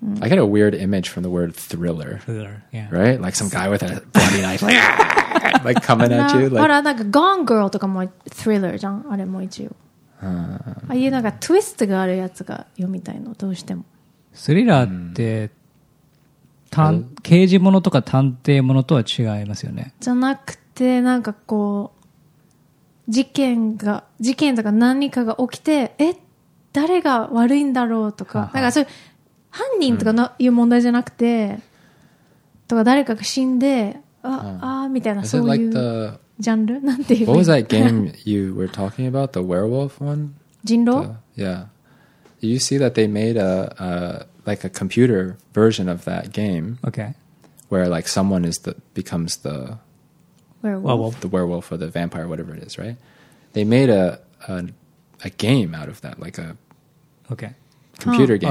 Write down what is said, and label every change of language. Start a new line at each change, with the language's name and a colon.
English: I get a weird image from the word thriller. Thriller, yeah. Right? Like some guy with a bloody knife like coming at you.
Japanese: Like Gone Girl とかも thriller じゃん。あれも一応。ああいうなんかトゥイストがあるやつが読みたいの、どうしても。スリラーって、刑事ものとか探偵ものとは違いますよね。じゃなくてなんかこう事件とか何かが起きて誰が悪いんだろうとか、なんかそういう犯人とかの、いう問題じゃなくてとか誰かが死んでみたいな、そういうジャンル、なんていう。
English: What was that game you were talking about? The werewolf one?
Japanese: 人狼?
English: Yeah. Did you see that they made a like a computer version of that game. Okay. Where like someone becomes the werewolf. The werewolf or the vampire, whatever it is, right? They made a game out of that, like a computer game.